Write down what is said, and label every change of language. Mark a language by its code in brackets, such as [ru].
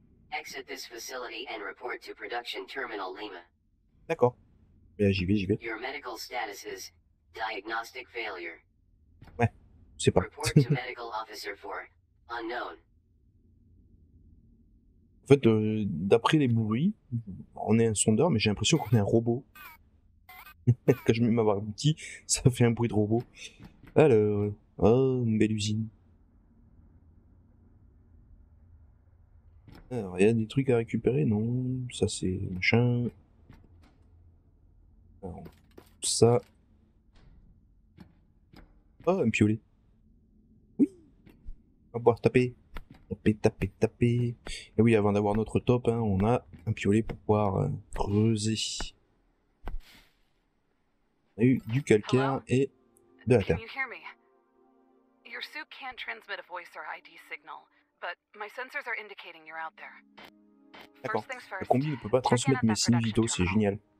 [en] Exit this facility and report to production terminal Lima. [fr] D'accord. Bien, j'y vais. [en] Your medical status is diagnostic failure. [fr] Ouais, c'est pas. [en] Report to medical officer for unknown. [fr] En fait, d'après les bruits, on est un sondeur, mais j'ai l'impression qu'on est un robot. Quand je mets ma barre d'outils, ça fait un bruit de robot. Alors, oh, une belle usine. Alors, il y a des trucs à récupérer, non? Ça, c'est machin. Alors, ça. Oh, un piolet. Oui! On va pouvoir taper. Taper. Et oui, avant d'avoir notre top, hein, on a un piolet pour pouvoir creuser. On a eu du calcaire et de la terre. [en] Your suit can't transmit a voice or ID signal. But my sensors are indicating you're out there. [fr] D'accord. La combi ne peut pas transmettre mes signes vitaux, c'est génial.